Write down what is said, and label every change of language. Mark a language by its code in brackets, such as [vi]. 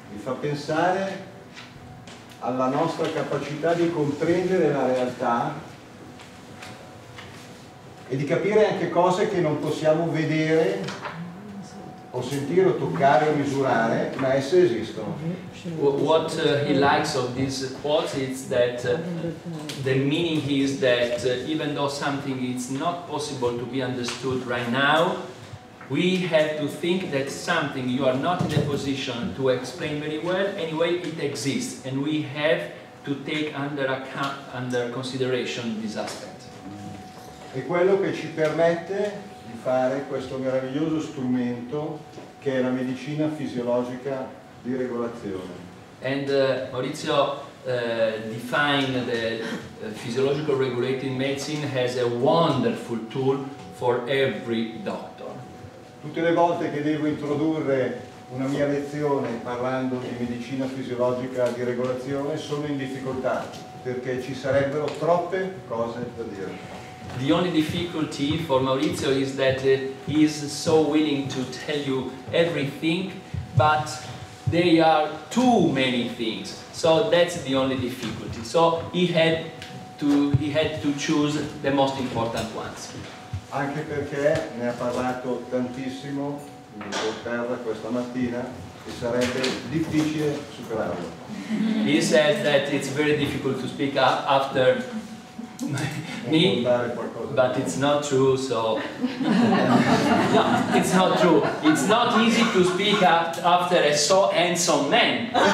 [it] Mi fa pensare alla nostra capacità di comprendere la realtà e di capire anche cose che non possiamo vedere o sentire o toccare o misurare, ma esse esistono. [en] What he likes of this quote is that the meaning is that even though something is not possible to be understood right now, we have to think that something you are not in a position to explain very well, anyway, it exists, and we have to take under consideration this aspect. [it] È quello che ci permette di fare questo meraviglioso strumento che è la medicina fisiologica di regolazione. [en] And Maurizio defined the physiological regulating medicine as a wonderful tool for every doctor. [it] Tutte le volte che devo introdurre una mia lezione parlando di medicina fisiologica di regolazione sono in difficoltà perché ci sarebbero troppe cose da dire. [en] The only difficulty for Maurizio is that he is so willing to tell you everything, but there are too many things. So that's the only difficulty. So he had to choose the most important ones. [it] Anche perché ne ha parlato tantissimo in terra questa mattina e sarebbe difficile superarlo. [en] He says that it's very difficult to speak up after me, but it's not true, so no, it's not true. It's not easy to speak up after a so handsome man.